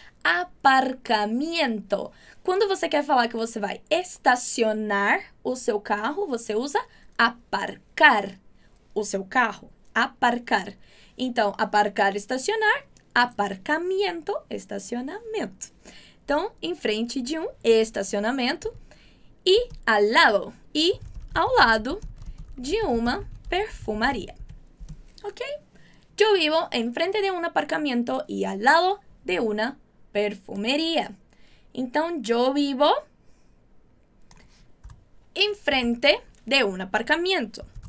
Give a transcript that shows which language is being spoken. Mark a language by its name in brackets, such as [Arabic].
[Portuguese] Aparcamiento. Quando você quer falar que você vai estacionar o seu carro, você usa aparcar o seu carro. Aparcar. Então, aparcar, estacionar. Aparcamiento, estacionamento. Então, em frente de um estacionamento. E [Spanish] al lado. [Portuguese] E ao lado de uma perfumaria. Ok? [Spanish] Yo vivo en frente de un aparcamiento y al lado de una perfumería. Então, yo vivo en frente de un aparcamiento.